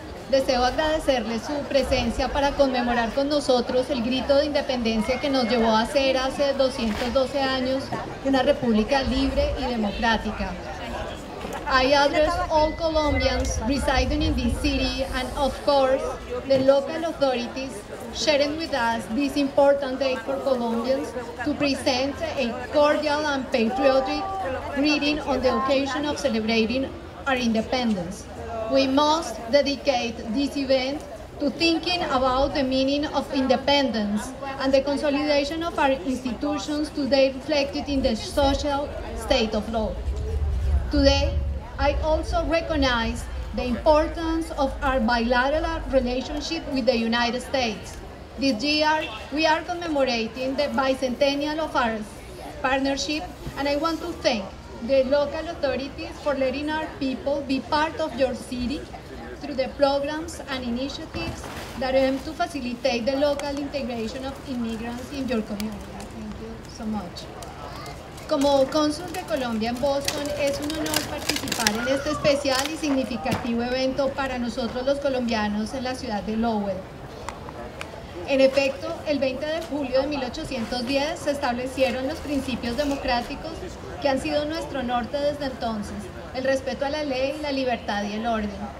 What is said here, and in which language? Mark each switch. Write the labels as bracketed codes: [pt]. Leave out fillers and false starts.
[es] Deseo agradecerles su presencia para conmemorar con nosotros el grito de independencia que nos llevó a ser hace 212 años una república libre y democrática. [en] I address all Colombians residing in this city and, of course, the local authorities sharing with us this important day for Colombians to present a cordial and patriotic greeting on the occasion of celebrating our independence. We must dedicate this event to thinking about the meaning of independence and the consolidation of our institutions today reflected in the social state of law. Today, I also recognize the importance of our bilateral relationship with the United States. This year, we are commemorating the bicentennial of our partnership, and I want to thank the local authorities for letting our people be part of your city through the programs and initiatives that aim to facilitate the local integration of immigrants in your community. Thank you so much. [es] Como cónsul de Colombia en Boston, es un honor participar en este especial y significativo evento para nosotros los colombianos en la ciudad de Lowell. En efecto, el 20 de julio de 1810 se establecieron los principios democráticos que han sido nuestro norte desde entonces, el respeto a la ley, la libertad y el orden.